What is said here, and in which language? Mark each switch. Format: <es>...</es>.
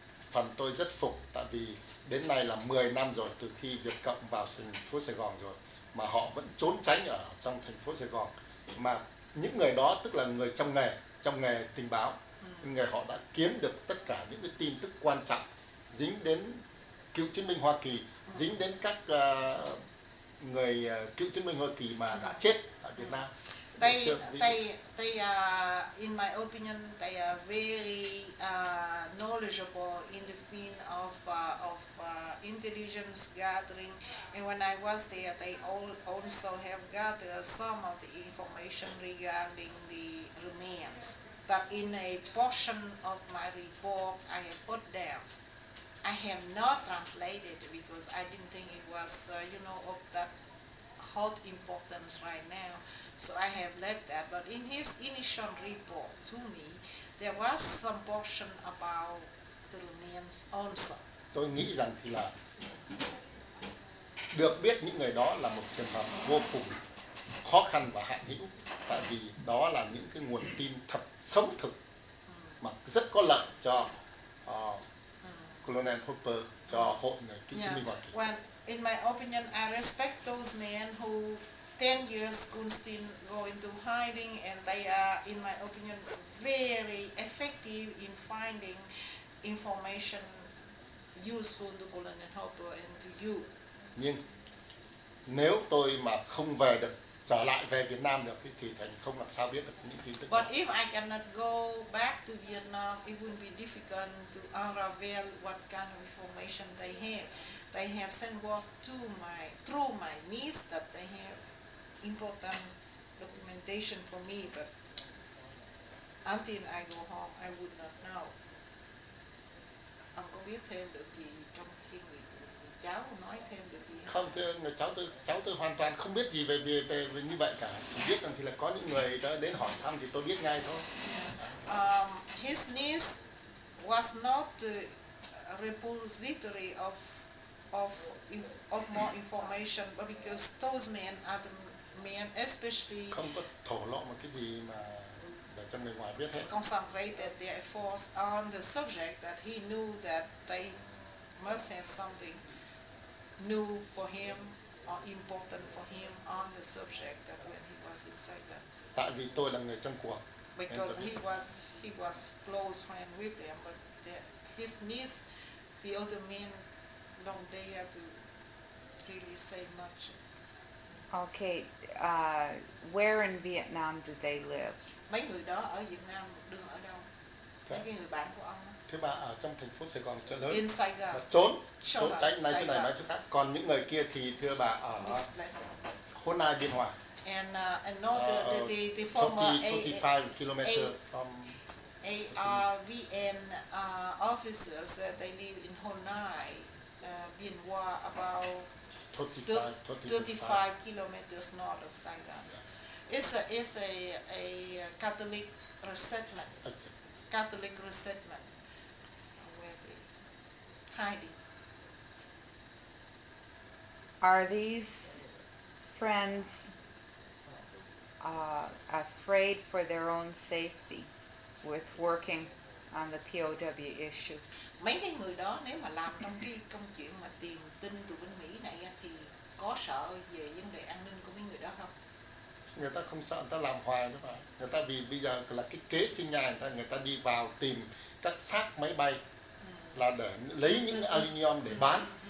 <vi>phần tôi rất phục, tại vì đến nay là 10 năm rồi từ khi Việt Cộng vào thành phố Sài Gòn rồi, mà họ vẫn trốn tránh ở trong thành phố Sài Gòn, mà những người đó tức là người trong nghề tình báo, người họ đã kiếm được tất cả những cái tin tức quan trọng dính đến cựu chiến binh Hoa Kỳ, dính đến các người cựu chiến binh Hoa Kỳ mà đã chết ở Việt Nam.</vi> <en>They in my opinion, they are very knowledgeable in the field of intelligence gathering. And when I was there, they also have gathered some of the information regarding the remains that in a portion of my report I have put down. I have not translated because I didn't think it was, you know, of that hot importance right now. So I have left that, but in his initial report to me, there was some portion about the remains also.</en> <vi>Tôi nghĩ rằng thì là được biết những người đó là một trường hợp vô cùng khó khăn và hạn hữu, tại vì đó là những cái nguồn tin thật sống thực mà rất có lợi cho Colonel Hooper, cho hội người cựu chiến binh Hoa Kỳ.</vi> <en>Well, in my opinion, I respect those men who 10 years Gunstein go into hiding, and they are, in my opinion, very effective in finding information useful to Colonel Hooper and to you.</en> <vi>Nhưng nếu tôi mà không về được, trở lại về Việt Nam được thì thành không làm sao biết được những tin tức.</vi> <en>But if I cannot go back to Vietnam, it would be difficult to unravel what kind of information they have. They have sent words to my through my niece that they have important documentation for me, but until I go home, I would not know.</en> <vi>Ông có biết thêm được gì trong khi người cháu nói thêm được gì không? Không, người cháu tôi hoàn toàn không biết gì về như vậy cả. Chỉ biết rằng thì là có những người đã đến hỏi thăm thì tôi biết ngay thôi.</vi> <en>His niece was not a repository of more information, but because those men are the men, especially</en> <vi>không có thổ lộ một cái gì mà để cho người ngoài biết hết.</vi> <en>Concentrated their efforts on the subject that he knew that they must have something new for him or important for him on the subject that when he was inside them.</en> <vi>Tại vì tôi là người trong cuộc.</vi> <en>Because he was close friend with them, but his niece, the other men, don't dare to really say much. Okay, where in Vietnam do they live?</en> <vi>Mấy người đó ở Việt Nam đường ở đâu? Thế? Mấy cái người bạn của ông. Thế bà ở trong thành phố Sài Gòn Chợ Lớn.</vi> <en>In Sài Gòn.</en> <vi>Trốn tránh này chỗ này nói chỗ khác. Còn những người kia thì thưa bà ở Hồ Nai Biên Hòa.</vi> <en>And another the former 25 kilometer from ARVN officers that they live in Hồ Nai Biên Hòa about 35 kilometers north of Saigon. Yeah. It's a Catholic resettlement. Okay. Catholic resettlement where they hiding. Are these friends afraid for their own safety with working on the POW issue?</en> <vi>Mấy cái người đó nếu mà làm trong cái công chuyện mà tìm tin từ bên Mỹ này thì có sợ về vấn đề an ninh của mấy người đó không? người ta không sợ, người ta làm hoài đó bạn. Người ta vì bây giờ là cái kế sinh nhai, người ta đi vào tìm các xác máy bay là để lấy những aluminium để bán.</vi>